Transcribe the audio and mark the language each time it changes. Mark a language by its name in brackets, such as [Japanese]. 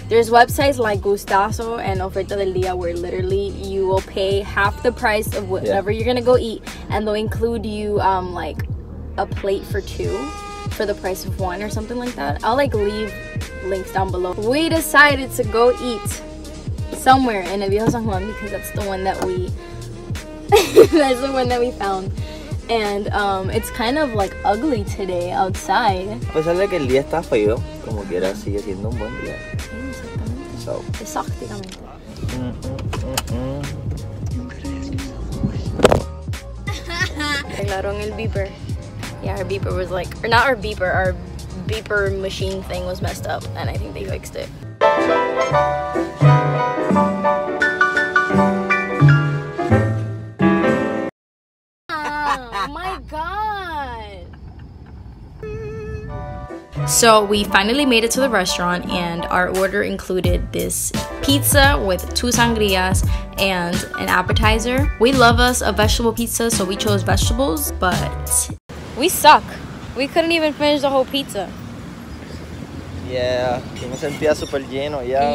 [English] There's websites like Gustazo and Oferta del Día where literally you will pay half the price of whatever you're going to go eat, and they'll include you like a plate for two for the price of one or something like that. I'll like leave links down below. We decided to go eat somewhere in Viejo San Juan because that's the one that we that's the one that we found. And it's kind of like ugly today outside. [Spanish] Pues sale que el día está feo, como quiera sigue siendo un buen día. [English] So. [Spanish] Arreglaron el beeper. [English] Yeah, our beeper was like, or not our beeper, our beeper machine thing was messed up, and I think they fixed it. Oh my god! So we finally made it to the restaurant, and our order included this pizza with two sangrias and an appetizer. We love us a vegetable pizza, so we chose vegetables, but we suck. We couldn't even finish the whole pizza. [Spanish] Yeah, me sentía super lleno ya.